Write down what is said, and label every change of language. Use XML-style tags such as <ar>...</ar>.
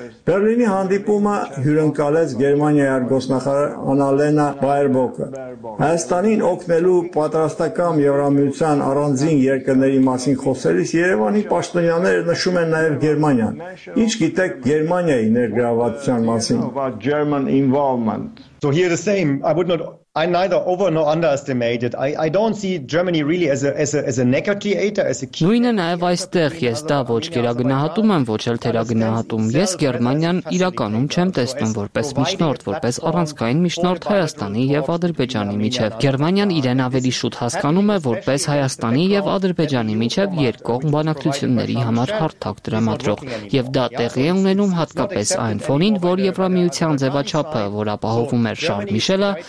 <hy>Բեռլինի հանդիպումը հյուրընկալեց Գերմանիայի արտգոսնախարար Անալենա Բայերբոկը։ Հայաստանին օգնելու պատրաստական Եվրամիության առանձին երկրների մասին խոսելիս Երևանի պաշտոնյաները նշում են նաև Գերմանիան։ Ինչ գիտեք Գերմանիայի ներգրավվածության մասին։</hy> <en>So here the same, I neither over nor underestimate it. I don't see Germany really as a negotiator, as a key.</en> <hy>Նույնը նաև այստեղ ես դա ոչ գերագնահատում եմ, ոչ էլ թերագնահատում։ Ես Գերմանիան իրականում չեմ տեսնում որպես միջնորդ, որպես առանցքային միջնորդ Հայաստանի և Ադրբեջանի միջև։ Գերմանիան իրեն ավելի շուտ հասկանում է որպես Հայաստանի և Ադրբեջանի միջև երկկողմ բանակցությունների համար հարթակ դրամատրող, և դա տեղի է ունենում հատկապես այն ֆոնին, որ Եվրամիության ձևաչափը, որ ապահովում էր Շարլ Միշելը,</hy>